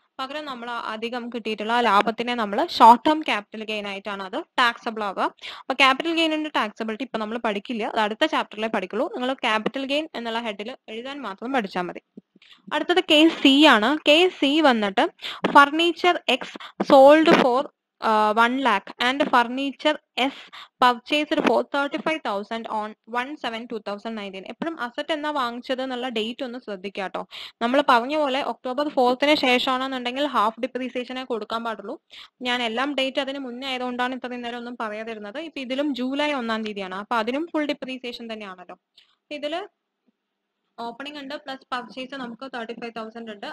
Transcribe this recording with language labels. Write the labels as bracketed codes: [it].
[ml] പകരം നമ്മൾ അധികം കിട്ടിയിട്ടുള്ള ലാഭത്തിനെ നമ്മൾ ഷോർട്ട് ടേം ക്യാപിറ്റൽ ഗെയിൻ ആയിട്ടാണ് അത് ടാക്സബിൾ ആവുക. അപ്പൊ ക്യാപിറ്റൽ ഗെയിനിന്റെ ടാക്സബിലിറ്റി ഇപ്പൊ നമ്മൾ പഠിക്കില്ല, അത് അടുത്ത ചാപ്റ്ററിലെ പഠിക്കുള്ളൂ. നിങ്ങൾ ക്യാപിറ്റൽ ഗെയിൻ എന്നുള്ള ഹെഡിൽ എഴുതാൻ മാത്രം പഠിച്ചാൽ മതി. അടുത്തത് കേസ് സി ആണ്. കേസ് സി വന്നിട്ട് [en] Furniture X sold for 1 lakh and the furniture S purchased for 35,000 on 1/7/2019. [ml] എപ്പോഴും അസറ്റ് എന്നാ വാങ്ങിച്ചത് എന്നുള്ള ഡേറ്റ് ഒന്ന് ശ്രദ്ധിക്കുക കേട്ടോ. നമ്മൾ പറഞ്ഞ പോലെ ഒക്ടോബർ 4th ശേഷമാണെന്നുണ്ടെങ്കിൽ ഹാഫ് ഡിപ്രീസിയേഷനെ കൊടുക്കാൻ പാടുള്ളൂ. ഞാൻ എല്ലാം ഡേറ്റ് അതിന് മുന്നേ ആയതുകൊണ്ടാണ് ഇത്രയും നേരം ഒന്നും പറയാതിരുന്നത്. ഇപ്പൊ ഇതിലും July 1st അപ്പൊ അതിനും ഫുൾ ഡിപ്രീസിയേഷൻ തന്നെയാണല്ലോ. ഇതില് ഓപ്പണിംഗ് ഉണ്ട് പ്ലസ് പർച്ചേസ് നമുക്ക് 35,000 ഉണ്ട്.